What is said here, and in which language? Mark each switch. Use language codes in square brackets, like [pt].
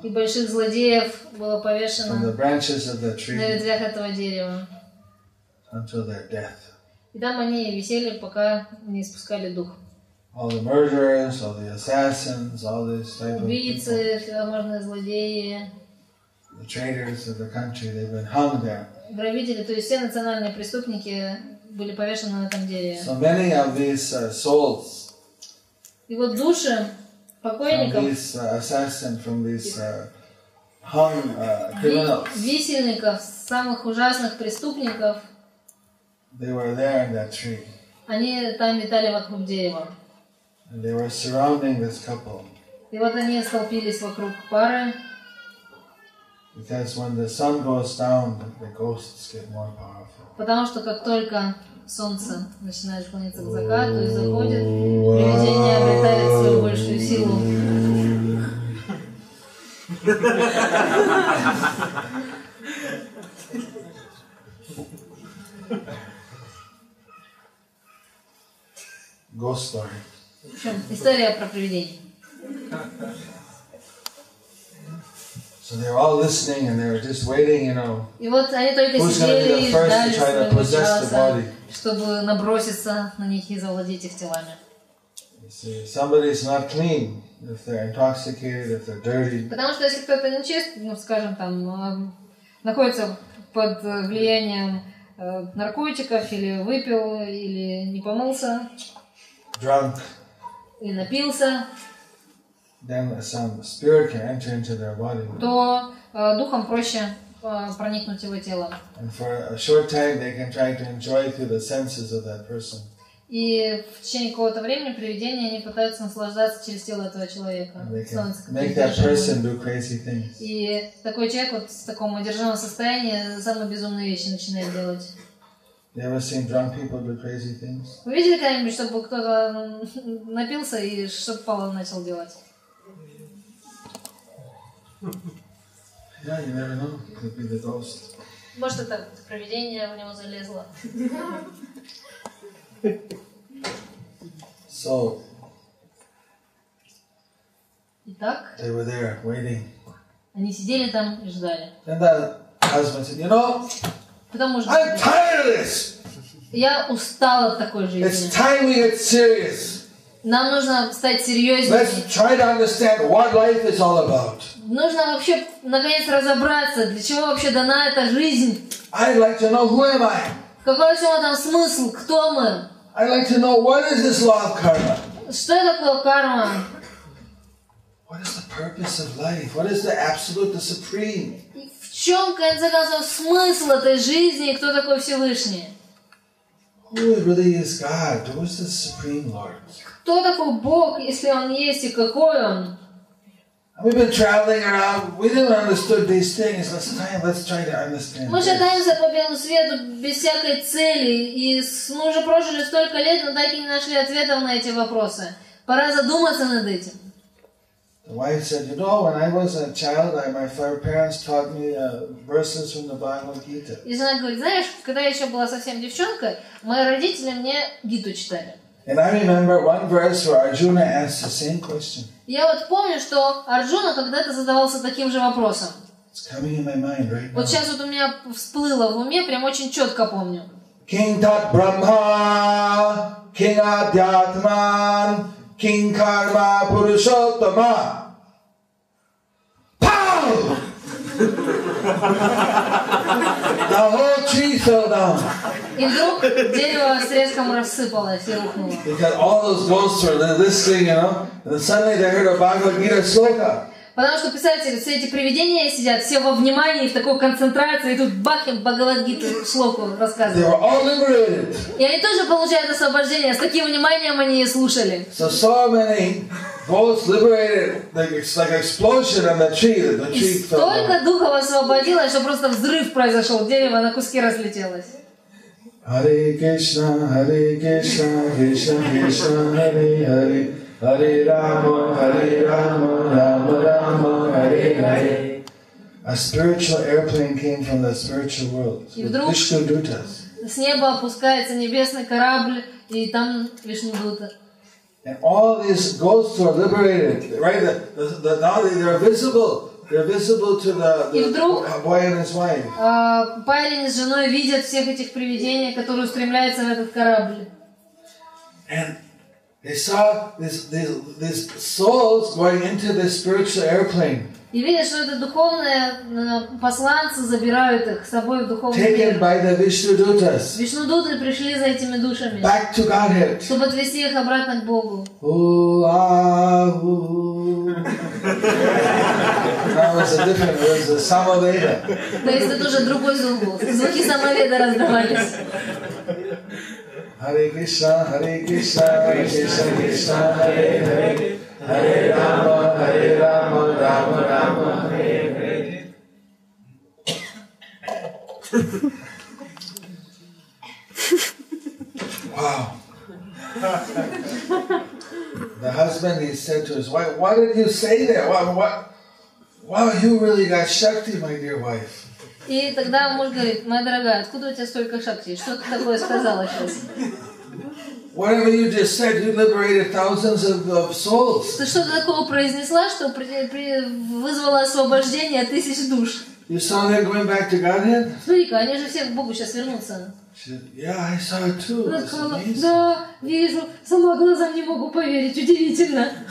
[ru] и больших злодеев было повешено [en] from the branches of the tree [ru] на ветвях этого дерева [en] until their death. [ru] И там они висели, пока не испускали дух. [en] All the murderers, all the assassins, all these type of [ru] убийцы, всевозможные злодеи. [en] The traitors of the country, they've been hung there. [ru] Грабители, то есть все национальные преступники были повешены на этом дереве. [en] So many of these souls. [ru] И вот души покойников. [en] From these assassins, from these hung criminals. [ru] Висельников, самых ужасных преступников. [en] They were there in that tree. [ru] Они там витали вокруг дерева. [en] And they were surrounding this couple. [ru] И вот они столпились вокруг пары. [en] Because when the sun goes down, the ghosts get more powerful. [ru] Потому что как только солнце начинает клониться к закату и заходит, привидения обретают свою большую силу. [en] Ghost story. [ru] В общем, история про привидений. [en] So they're all listening and they're just waiting, you know. [ru] И вот они только сидели и ждали, чтобы наброситься на них и завладеть их телами. [en] Somebody's not clean if they're intoxicated, if they're dirty. [ru] Потому что если кто-то нечист, ну, скажем, там, находится под влиянием наркотиков или выпил или не помылся. [en] Drunk. [ru] И напился. [en] Then some spirit can enter into their body. [ru] То духом проще проникнуть его тело. [en] And for a short time they can try to enjoy through the senses of that person. [ru] И в течение какого-то времени привидения они пытаются наслаждаться через тело этого человека. [en] Make that person do crazy things. [ru] И такой человек вот в таком одержимом состоянии самые безумные вещи начинает делать. [en] You ever seen drunk people do crazy things? [ru] Вы видели когда-нибудь, чтобы кто-то напился и что-то Павел начал делать? [en] Yeah, you never know. It could be the ghost. [ru] Может, это провидение в него залезло. [en] So. [ru] Итак. [en] They were there waiting. [ru] Они сидели там и ждали. [en] Then the husband said, "You know, [ru] потому что [en] I'm tired of this. [ru] Я устал от такой жизни. [en] It's time we get serious. [ru] Нам нужно стать серьезными. [en] Let's try to understand what life is all about. [ru] Нужно вообще наконец разобраться, для чего вообще дана эта жизнь. [en] I'd like to know who am I. [ru] Какой всего там смысл? Кто мы? [en] I'd like to know what is this law of karma. [ru] Что такое карма? [en] What is the purpose of life? What is the absolute, the supreme? [ru] В чем, в конце концов, смысл этой жизни и кто такой Всевышний? [en] Who really is God? Who is the supreme Lord? [ru] Кто такой Бог, если Он есть и какой Он? [en] We've been traveling around. We didn't understand these things. Let's try to understand. [ru] Мы шатаемся по белому свету без всякой цели, и мы уже прожили столько лет, но так и не нашли ответов на эти вопросы. Пора задуматься над этим. [en] The wife said, "You know, when I was a child, my parents taught me verses from the Bhagavad Gita." [ru] И жена говорит, знаешь, когда я еще была совсем девчонкой, мои родители мне Гиту читали. [en] And I remember one verse where Arjuna asked the same question. [ru] Я вот помню, что Арджуна когда-то задавался таким же вопросом. [en] It's coming in my mind right now. [ru] Вот сейчас вот у меня всплыло в уме, прям очень четко помню. [sa] King Tat Brahma, King Adhyatman, King Karma Purushottama. Pow! [en] The whole tree fell down. [ru] И вдруг дерево с треском рассыпалось и рухнуло. [en] Because all those ghosts were listening, you know, and suddenly they heard a Bhagavad Gita sloka. [ru] Потому что писатели, все эти привидения сидят, все во внимании, в такой концентрации, и тут бах, им Бхагавад Гиту слоку рассказывают. [en] They were all liberated. [ru] И они тоже получают освобождение, с таким вниманием они и слушали. [en] So many ghosts liberated, like explosion on the tree, that the tree fell. [ru] Столько духов освободилось, что просто взрыв произошел, дерево на куски разлетелось. [sa] Hare Krishna, Hare Krishna, Krishna Krishna, Hare Hare, Hare Rama, Hare Rama, Rama Rama, Hare Hare. [en] A spiritual airplane came from the spiritual world. Vishnu Dutas. [ru] С неба опускается небесный корабль, и там Вишну Дута. [en] And all these ghosts are liberated, right? Now they're visible. They're visible to the boy and his wife. [ru] Парень с женой видят всех этих привидений, которые устремляются в этот корабль. [en] And they saw these souls going into this spiritual airplane. [ru] И видят, что это духовные посланцы забирают их с собой в духовный мир. [en] Taken by the Vishnudutas. [ru] Вишнудуты пришли за этими душами. [en] Back to Godhead. [ru] Чтобы отвести их обратно к Богу. [en] That was a different. It was a Samaveda. [ru] То есть это уже другой звук был. Звуки Самаведа раздавались. [sa] Hare Krishna, Hare Krishna, Krishna Krishna, Hare Hare. Hare Rama, Hare Rama, Rama Rama, Hare Hare. [en] Wow. The husband, he said to his wife, "What did you say there? Wow, you really got shakti, my dear wife." [ru] И тогда муж говорит, моя дорогая, откуда у тебя столько шакти? Что ты такое сказала сейчас? [en] Whatever you just said, you liberated thousands of souls. [ru] Ты что такого произнесла, что вызвало освобождение тысяч душ? [en] You saw them going back to Godhead? [ru] Смотри-ка, они же все к Богу сейчас вернутся. [en] Yeah, I saw it too. That's amazing. [ru] Да, вижу. Сама глазам не могу поверить. Удивительно.